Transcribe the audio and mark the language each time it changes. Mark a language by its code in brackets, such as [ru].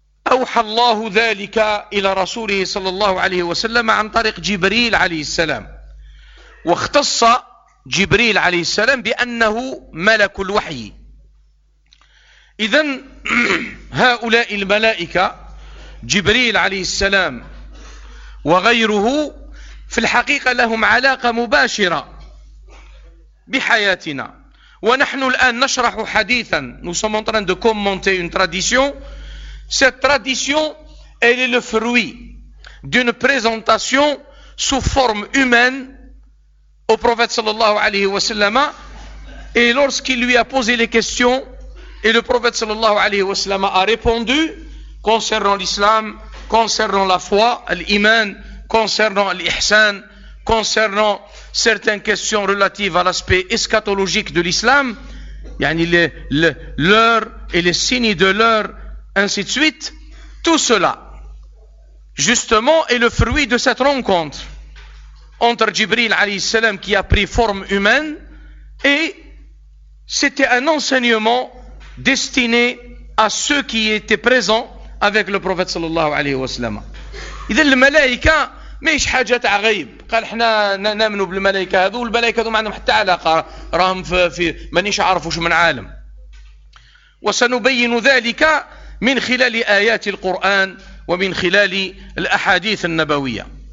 [ar] أوحى الله ذلك إلى رسوله صلى الله عليه وسلم عن طريق جبريل عليه السلام، واختص جبريل عليه السلام بأنه ملك الوحي. إذن هؤلاء الملائكة، جبريل عليه السلام وغيره، في الحقيقة لهم علاقة مباشرة بحياتنا. ونحن الآن نشرح حديثا، [fr] nous sommes en train de commenter une tradition. Cette tradition, elle est le fruit d'une présentation sous forme humaine au prophète sallallahu alayhi wa sallam, et lorsqu'il lui a posé les questions, et le prophète sallallahu alayhi wa sallam a répondu concernant l'islam, concernant la foi, l'iman, concernant l'ihsan, concernant certaines questions relatives à l'aspect eschatologique de l'islam, yani l'heure et les signes de l'heure, ainsi de suite. Tout cela justement est le fruit de cette rencontre entre Jibril alayhi salam, qui a pris forme humaine, et c'était un enseignement destiné à ceux qui étaient présents avec le prophète sallallahu alayhi wa sallam. [ar] اذا الملائكه ماهيش حاجه تاع غيب، قال احنا نؤمن بالملائكه هذو، الملائكه هذو ما عندهم حتى علاقه، راهم في مانيش عارف واش من عالم. وسنبين ذلك من خلال ايات القران ومن خلال الاحاديث النبويه.